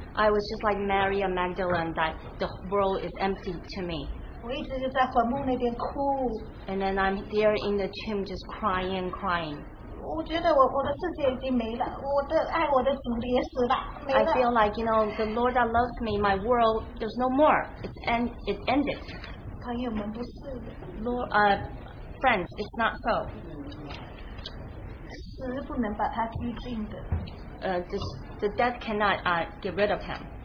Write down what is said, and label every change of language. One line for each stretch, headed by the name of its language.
English: I was just like Mary and Magdalene, that the world is empty to me.
Chinese: 我一直就在坟墓那边哭。
English: And then I'm there in the tomb, just crying.
Chinese: 我觉得我的世界已经没了，我的爱我的主也死了，没了。
English: I feel like, you know, the Lord that loves me, my world, there's no more. It ended.
Chinese: 朋友们不是的。
English: Friends, it's not so.
Chinese: 死不能把他拘禁的。
English: The death cannot get rid of him.